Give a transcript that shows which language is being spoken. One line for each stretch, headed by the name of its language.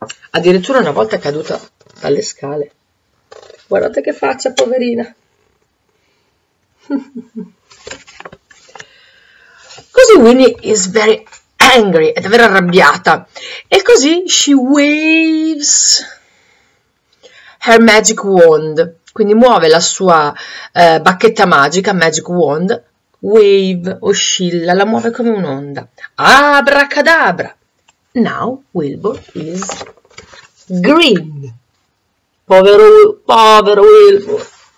Italian: Addirittura una volta è caduta dalle scale. Guardate che faccia, poverina. Così Winnie is very angry, è davvero arrabbiata.
English: E così she waves her magic wand.
Italian: Quindi muove la sua bacchetta magica, magic wand, wave, oscilla, la muove come un'onda.
English: Abracadabra. Now Wilbur is green.
Italian: Povero, povero Wilbur.